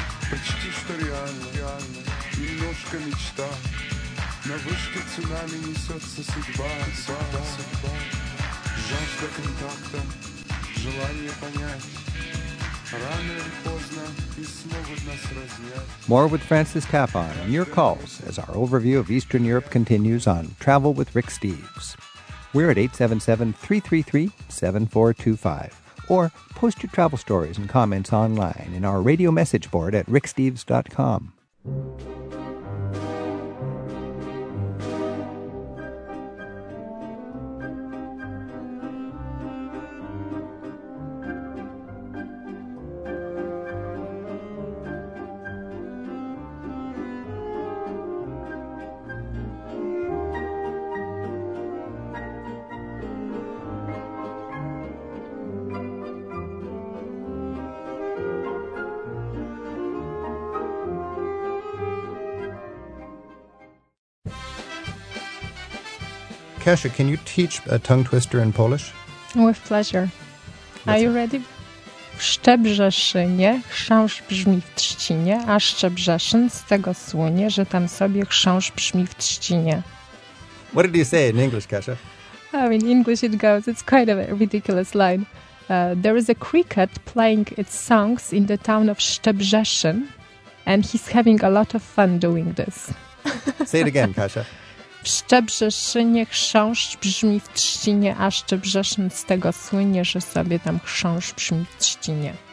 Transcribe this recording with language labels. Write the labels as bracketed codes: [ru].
[ru] Почти что реально, немножко мечта. На вышке цунами несется судьба. Жажда контакта, желание понять. Рано или поздно и смогут нас разнять. [en] More with Francis Kappon and your calls as our overview of Eastern Europe continues on Travel with Rick Steves. We're at 877-333-7425. Or post your travel stories and comments online in our radio message board at ricksteves.com. Kasia, can you teach a tongue twister in Polish? With pleasure. Are you ready? [pl] W Szczebrzeszynie chrząsz brzmi w trzcinie, a Szczebrzeszyn z tego słynie, że tam sobie chrząsz brzmi w trzcinie. [en] What did you say in English, Kasia? Oh, in English it goes, it's quite a ridiculous line. There is a cricket playing its songs in the town of Szczebrzeszyn, and he's having a lot of fun doing this. Say it again, Kasia. [pl] W Szczebrzeszynie chrząszcz brzmi w trzcinie, a Szczebrzeszyn z tego słynie, że sobie tam chrząszcz brzmi w trzcinie.